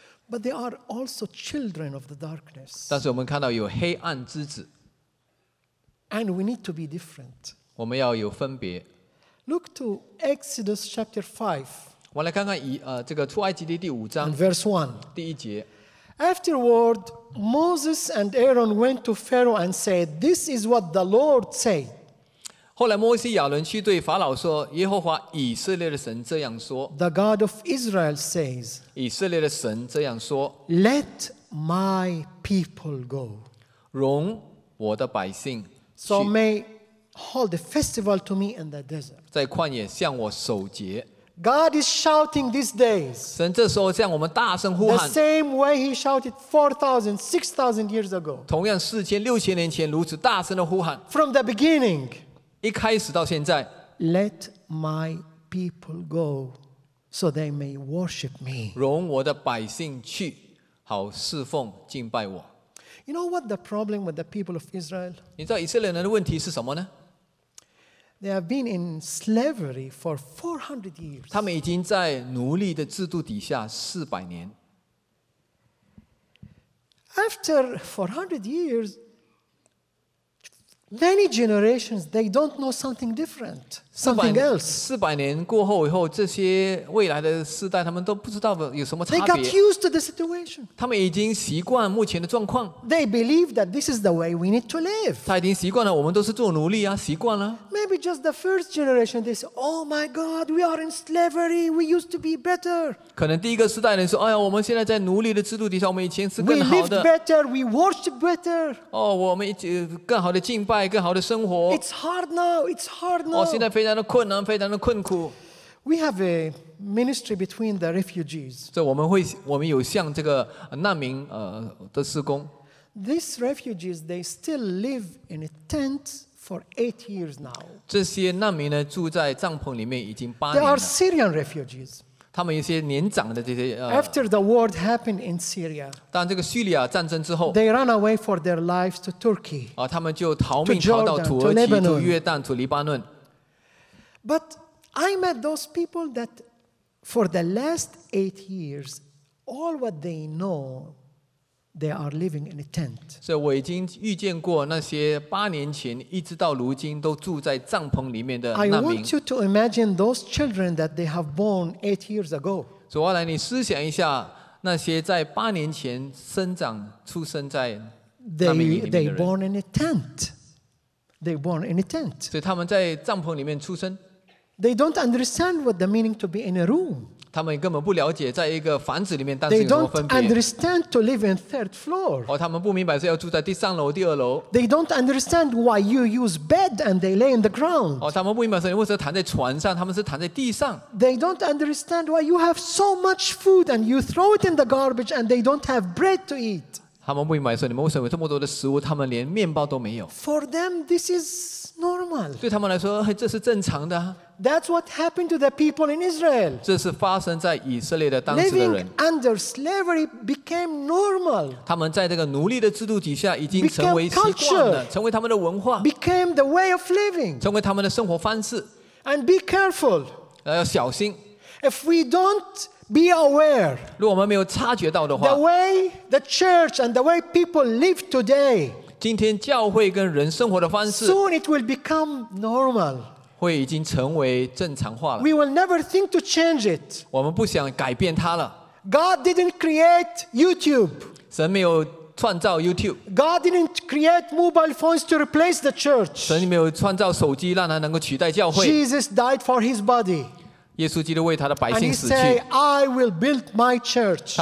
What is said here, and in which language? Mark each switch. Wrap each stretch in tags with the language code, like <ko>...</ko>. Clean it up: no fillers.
<en>But they are also children of the darkness.</en> <zh>但是我们看到有黑暗之子。</zh> <en>And we need to be different.</en> <zh>我们要有分别。</zh> <en>Look to Exodus chapter 5.</en> <zh>我来看看这个出埃及记第五章。</zh> <en>Verse 1.</en> <zh>第一节。</zh> <en>Afterward, Moses and Aaron went to Pharaoh and said, "This is what the Lord said."</en> <zh>后来摩西亚伦去对法老说，耶和华以色列的神这样说。</zh> <en>The God of Israel says.</en> <zh>以色列的神这样说。</zh> <en>Let my people go.</en> <zh>容我的百姓。</zh> <en>So may hold the festival to me in the desert.</en> <zh>在旷野向我守节。</zh> <en>God is shouting these days.</en> <zh>神这时候向我们大声呼喊。</zh> <en>The same way he shouted 4,000, 6,000 years ago.</en> <zh>同样四千六千年前如此大声的呼喊。</zh> <en>From the beginning.</en> <zh>一开始到现在。</zh> <en>Let my people go, so they may worship me.</en> <zh>容我的百姓去，好侍奉敬拜我。</zh> <en>You know what the problem with the people of Israel?</en> <zh>你知道以色列人的问题是什么呢？</zh> <en>They have been in slavery for 400 years.</en> <zh>他们已经在奴隶的制度底下400年。</zh> <en>After 400 years, many generations they don't know something different, something else.</en> <zh>400年过后以后，这些未来的世代他们都不知道有什么差别。</zh> <en>They got used to the situation.</en> <zh>他们已经习惯目前的状况。</zh> <en>They believe that this is the way we need to live.</en> <zh>他已经习惯了，我们都是做奴隶啊，习惯了。</zh> <en>Maybe just the first generation they say, "Oh my God, we are in slavery. We used to be better."</en> <zh>可能第一个世代人说，哎呀，我们现在在奴隶的制度底下，我们以前是更好的。</zh> <en>We lived better. We worshiped better.</en> <zh>哦，我们更好的敬拜。更好的生活。</zh> <en>It's hard now. It's hard now.</en> <zh>现在非常的困难，非常的困苦。</zh> <en>We have a ministry between the refugees.</en> <zh>这我们有像这个难民的事工。</zh> <en>These refugees they still live in a tent for 8 years now.</en> <zh>这些难民呢住在帐篷里面已经8年了。</zh> <en>They are Syrian refugees.</en> <zh>他们一些年长的这些。</zh> <en>After the war happened in Syria.</en> <zh>当这个叙利亚战争之后。</zh> <en>They ran away for their lives to Turkey.</en> <zh>他们就逃命逃到土耳其、土约旦、土黎巴嫩。</zh> <en>But I met those people that for the last 8 years, all what they know, They are living in a tent.</en> <zh>所以我已经遇见过那些八年前一直到如今都住在帐篷里面的难民。</zh> <en>I want you to imagine those children that they have born 8 years ago.</en> <zh>所以我来你思想一下那些在八年前生长出生在难民里面的人。</zh> <en>They born in a tent. They born in a tent.</en> <zh>所以他们在帐篷里面出生。</zh> <en>They don't understand what the meaning to be in a room.</en> <zh>他们根本不了解在一个房子里面当时有什么分别。</zh> <en>They don't understand to live in third floor.</en> <zh>他们不明白是要住在第三楼、第二楼。</zh> <en>They don't understand why you use bed and they lay in the ground.</en> <zh>他们不明白是为什么躺在床上，他们是躺在地上。</zh> <en>They don't understand why you have so much food and you throw it in the garbage and they don't have bread to eat.</en> <zh>他们不明白是你们为什么有这么多的食物，他们连面包都没有。</zh> <en>For them, this is normal.</en> <zh>对他们来说，这是正常的。</zh> <en>That's what happened to the people in Israel.</en> <zh>这是发生在以色列的当时的人。</zh> <en>Living under slavery became normal.</en> <zh>他们在这个奴隶的制度底下已经成为习惯了，成为他们的文化。</zh> <en>Became the way of living.</en> <zh>成为他们的生活方式。</zh> <en>And be careful.</en> <zh>要小心。</zh> <en>If we don't be aware.</en> <zh>如果我们没有察觉到的话。</zh> <en>The way the church and the way people live today.</en> <zh>今天教会跟人生活的方式。</zh> <en>Soon it will become normal.</en> <zh>会已经成为正常化了。</zh> <en>We will never think to change it.</en> <zh>我们不想改变它了。</zh> <en>God didn't create YouTube.</en> <zh>神没有创造 YouTube.</zh> <en>God didn't create mobile phones to replace the church.</en> <zh>神没有创造手机让它能够取代教会。</zh> <en>Jesus died for his body.</en> <zh>耶稣基督为他的百姓死去。</zh> <en>And he said, I will build my church.</en>